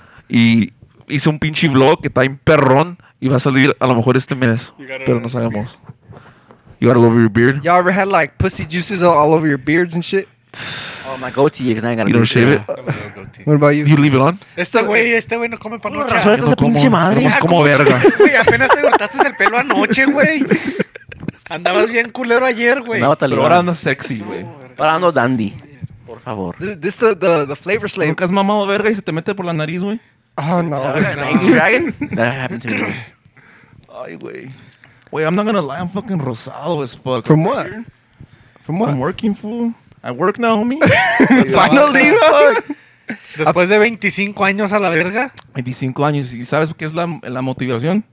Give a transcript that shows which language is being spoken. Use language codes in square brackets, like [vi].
[es] Y hice un pinche vlog que está en perrón. Y va a salir a lo mejor este mes. Pero no sabemos. [en] You got all over your beard? Y'all ever had, like, pussy juices all over your beards and shit? Oh, my goatee, because I ain't got to... You don't shave it? What about you? You leave it on? [es] Este güey no come pa' noche. Suelta esa pinche madre. Es como verga. Güey, apenas te cortaste el pelo anoche, güey. Andabas bien culero ayer, güey. Pero ahora andas sexy, güey. Parando dandy, por favor. [en] This the flavor slave. [es] ¿Has mamado verga y se te mete por la nariz, güey? [en] Oh, no. ¿Angry dragon? That happened to me. [es] Ay, güey. [en] Wait, I'm not gonna lie. I'm fucking rosado as fuck. From what? From what? I'm working, fool. I work now, homie. Finally, fuck. [es] Después de 25 años a la verga. 25 años. ¿Y sabes qué es la motivación?